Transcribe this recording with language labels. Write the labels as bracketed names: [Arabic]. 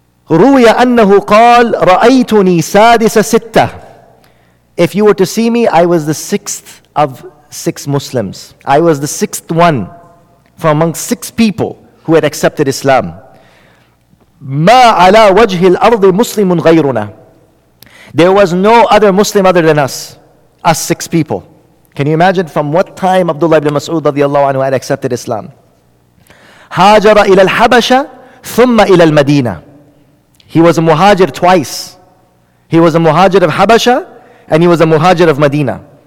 [Arabic] روي أنه قال رأيتني سادس ستة. [English] If you were to see me, I was the sixth of six Muslims. I was the sixth one from among six people who had accepted Islam. [Arabic] ما على وجه الأرض مسلم غيرنا. [English] There was no other Muslim other than us. Us six people. Can you imagine from what time Abdullah ibn Mas'ud radiallahu anhu had accepted Islam? [Arabic] Hajara ila al-Habasha, thumma ila al-Madina. [English] He was a muhajir twice. He was a muhajir of Habasha, and he was a muhajir of Medina.